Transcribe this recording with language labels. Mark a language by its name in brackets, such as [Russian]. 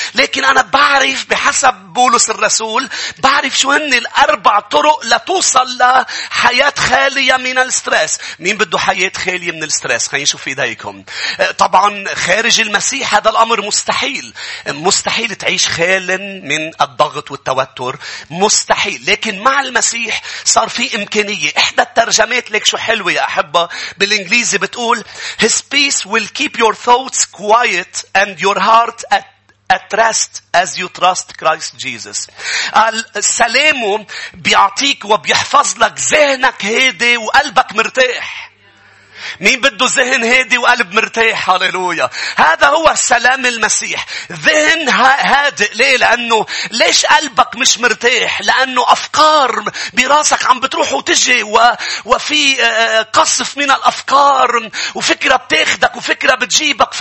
[Arabic] لكن أنا بعرف بحسب بولس الرسول بعرف شو هن الأربع طرق لتوصل لحياة خالية من السترس. مين بده حياة خالية من السترس؟ خلينا نشوف إيديكم. طبعا خارج المسيح هذا الأمر مستحيل. مستحيل تعيش خالا من الضغط والتوتر. مستحيل. لكن مع المسيح صار في إمكانية. إحدى الترجمات لك شو حلوة يا أحبة بالإنجليزي بتقول [English] His peace will keep your thoughts quiet and your heart at rest as you trust Christ Jesus. [Arabic] سلامه بيعطيك وبيحفظ لك ذهنك هادي وقلبك مرتاح. مين بده ذهن هادي وقلب مرتاح؟ هاليلويا. هذا هو سلام المسيح. ذهن هادئ. ليه؟ لأنه ليش قلبك مش مرتاح؟ لأنه أفكار براسك عم بتروح وتجي وفي قصف من الأفكار وفكرة بتاخدك وفكرة بتجيبك.